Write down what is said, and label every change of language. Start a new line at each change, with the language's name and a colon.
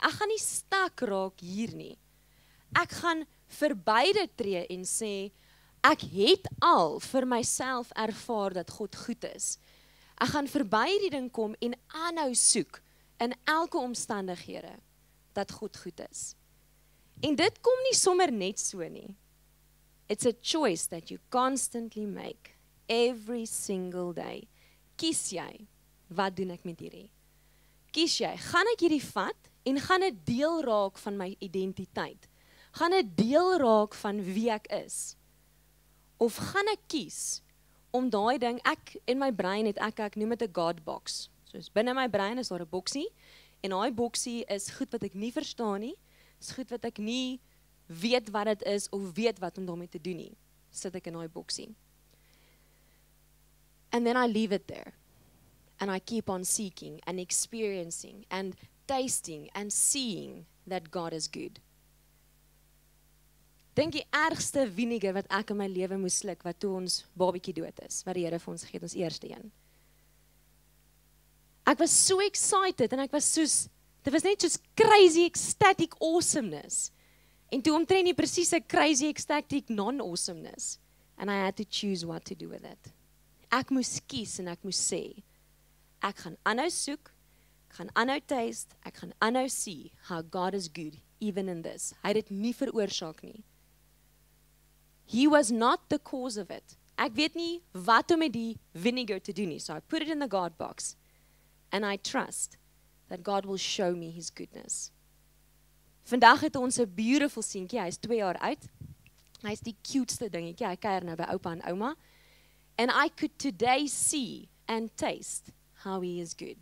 Afrikaans: Ek gaan nie stak raak hier nie. Ek gaan verby dit tree en sê, ek het al vir myself ervaar dat God goed is. Ek gaan verby die ding kom en aanhou soek in elke omstandighede dat God goed is. En dit kom nie sommer net so nie.
English: It's a choice that you constantly make every single day.
Afrikaans: Kies jy, wat doen ek met hierdie? Kies jy, gaan ek hierdie vat en gaan dit deel raak van my identiteit? Gaan dit deel raak van wie ek is? Of gaan ek kies om daai ding, ek in my brein het ek noem dit 'n God box. Soos binne my brein is daar 'n boksie en daai boksie is goed wat ek nie verstaan nie. Is goed wat ek nie weet wat dit is of weet wat om daarmee te doen nie. Sit ek in daai boksie.
English: And then I leave it there. And I keep on seeking and experiencing and tasting and seeing that God is good.
Afrikaans: Dink die ergste vinegar wat ek in my lewe moes sluk, wat toe ons babietjie dood is, wat die Here vir ons gegee het, ons eerste een. Ek was so excited en ek was soos, dit was net soos
English: crazy ecstatic awesomeness.
Afrikaans: En toe omtrent nie presies 'n
English: crazy ecstatic non-awesomeness. And I had to choose what to do with it.
Afrikaans: Ek moes kies en ek moes sê, ek gaan aanhou soek, ek gaan aanhou taste, ek gaan aanhou
English: see how God is good, even in this.
Afrikaans: Hy het dit nie veroorsaak nie.
English: He was not the cause of it.
Afrikaans: Ek weet nie wat om met die vinegar te doen nie.
English: So I put it in the God box. And I trust that God will show me his goodness.
Afrikaans: Vandag het ons 'n beautiful seentjie. Hy is 2 jaar oud. Hy is die cutest dingetjie. Hy kuier nou by oupa en ouma.
English: And I could today see and taste how he is good.